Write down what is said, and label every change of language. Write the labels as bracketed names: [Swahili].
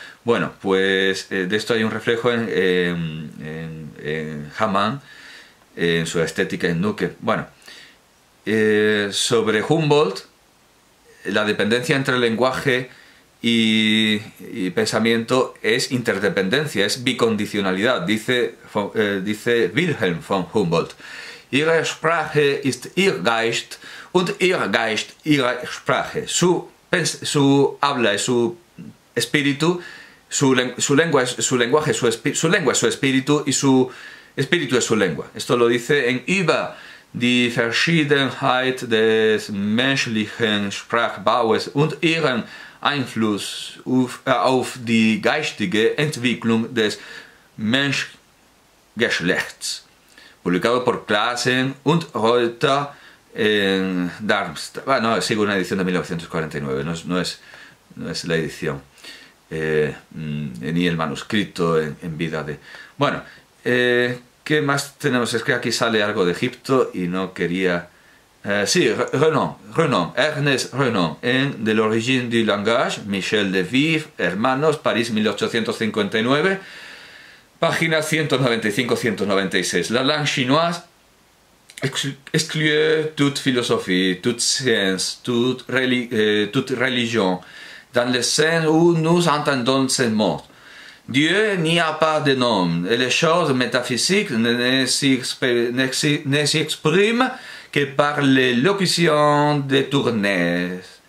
[Spanish] Bueno, pues de esto hay un reflejo en Hamann, en su estética en Nuque. Bueno, sobre Humboldt, la dependencia entre el lenguaje y pensamiento es interdependencia, es bicondicionalidad, dice Wilhelm von Humboldt. [German] Ihre Sprache ist ihr Geist und ihr Geist ihre Sprache. [Spanish] Su habla es su espíritu, su lengua es su espíritu y su espíritu es su lengua. Esto lo dice en Über die Verschiedenheit des menschlichen Sprachbaues und ihren Einfluss auf die geistige Entwicklung des Menschgeschlechts, publicado por Klassen und Reuter en Darmstadt. Bueno, sigue una edición de 1949, no es la edición, ni el manuscrito en vida de... Bueno, ¿qué más tenemos? Es que aquí sale algo de Egipto y no quería... sí, Renan, Ernest Renan, en De l'origine du langage, Michel de Vive, Hermanos, París, 1859, página 195-196. [French] La langue chinoise exclue toute philosophie, toute science, toute religion, dans le sens où nous entendons ces mots. Dieu n'y a pas de nom, et les choses métaphysiques ne s'expriment que par les locutions détournées.